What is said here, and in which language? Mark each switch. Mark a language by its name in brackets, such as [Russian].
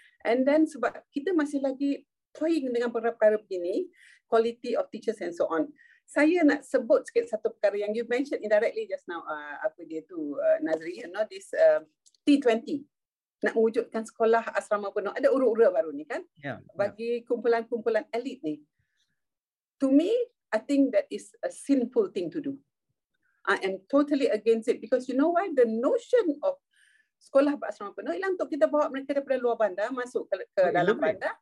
[English] And then [Malay] sebab kita masih lagi toying dengan perkara-perkara begini, [English] quality of teachers and so on. [Malay] Saya nak sebut sikit satu perkara yang [English] you mentioned indirectly just now, Nazri, you know, this T20. [Malay] Nak mewujudkan sekolah asrama penuh. Ada ura-ura baru ni kan? [English] Yeah, [Malay] bagi kumpulan-kumpulan elit ni. [English] To me, I think that is a sinful thing to do. I am totally against it because you know why? The notion of [Malay] sekolah berasrama penuh ialah untuk kita bawa mereka daripada luar bandar masuk ke dalam bandar.